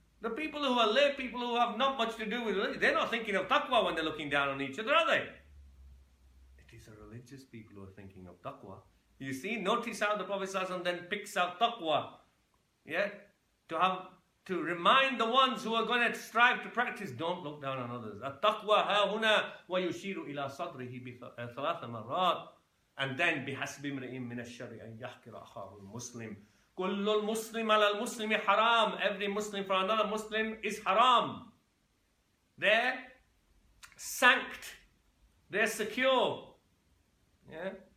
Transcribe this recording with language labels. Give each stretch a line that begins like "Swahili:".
English: The people who are lay people who have not much to do with religion, they're not thinking of taqwa when they're looking down on each other, are they? It is the religious people who are thinking of taqwa. You see, notice how the Prophet ﷺ then picks out taqwa. Yeah? To remind the ones who are going to strive to practice, don't look down on others.
Arabic: At-taqwa ha-huna wa yushiru ila sadrihi bi-thalatha marrat.
English: And then
Arabic: بِحَسْبِ مْرِئِمْ مِنَ الشَّرِّ أَنْ يَحْكِرَ أَخَاهُ الْمُسْلِمِ. كُلُّ الْمُسْلِمِ عَلَى الْمُسْلِمِ حَرَامٌ.
English: Every Muslim for another Muslim is haram. They're sanct. They're secure. Yeah.